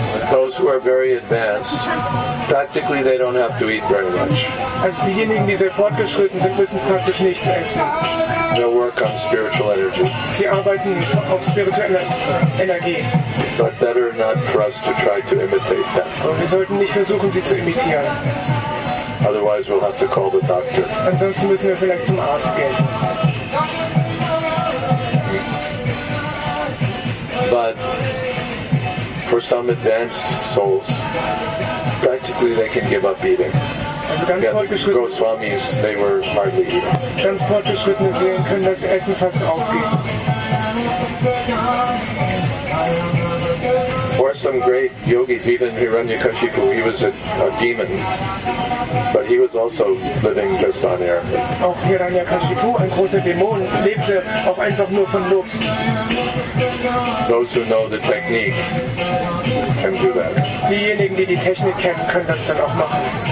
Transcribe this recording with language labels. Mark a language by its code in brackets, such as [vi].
[en] Those who are very advanced, practically they don't have to eat very much. [de] Also diejenigen, die sehr fortgeschritten sind, müssen praktisch nichts essen. [en] They'll work on spiritual energy. [de] Sie arbeiten auf spiritueller Energie. [en] But better not for us to try to imitate them. [de] Aber wir sollten nicht versuchen, sie zu imitieren. [en] Otherwise we'll have to call the doctor. [de] Ansonsten müssen wir vielleicht zum Arzt gehen. [en] But for some advanced souls, practically they can give up eating. [de] Also ganz fortgeschritten. [en] The Goswamis, they were hardly eating. [de] Ganz fortgeschrittene Seelen können das Essen fast aufgeben. [en] Or some great yogis, even Hiranyakashipu, he was a demon, but he was also living just on air. [de] Auch Hiranyakashipu, ein großer Dämon, lebte auch einfach nur von Luft. [en] Those who know the technique can do that. [de] Diejenigen, die die Technik kennen, können das dann auch machen.